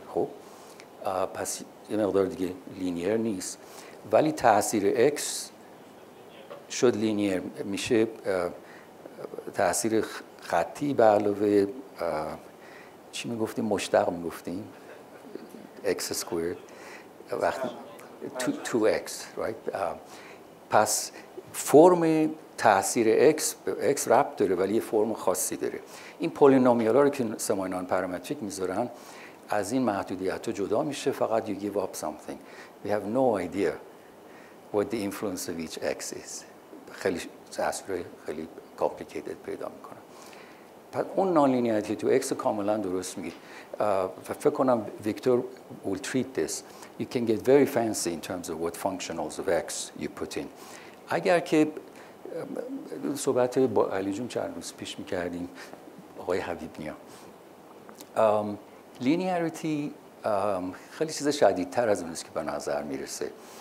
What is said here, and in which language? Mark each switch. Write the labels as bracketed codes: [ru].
[fa] خب پس یه مقدار دیگه لینیر نیست، ولی تاثیر اکس شد لینیر، میشه تاثیر خطی به علاوه چی میگفتیم، مشتق میگفتیم، اکس اسکوئرد وقتی 2x right. پس فرم تأثیر اکس به اکس ربط داره، ولی یه فرم خاصی داره. این پولینومیال ها رو که سمای نان پارامتریک میذارن از این محدودیت ها جدا میشه، فقط [en] you give up something. We have no idea what the influence of each x is. [fa] خیلی تأثیر خیلی complicated پیدا میکنن. پس اون نان لینیاریتی تو اکس کاملا درست میگید. فکر کنم ویکتور [en] will treat this. You can get very fancy in terms of what functionals of x you put in. [fa] اگر که صحبت با علی جون چند روز پیش میکردیم، آقای حبیب نیا، لینیاریتی خیلی چیز شدیدتر از اونیست که به نظر میرسه.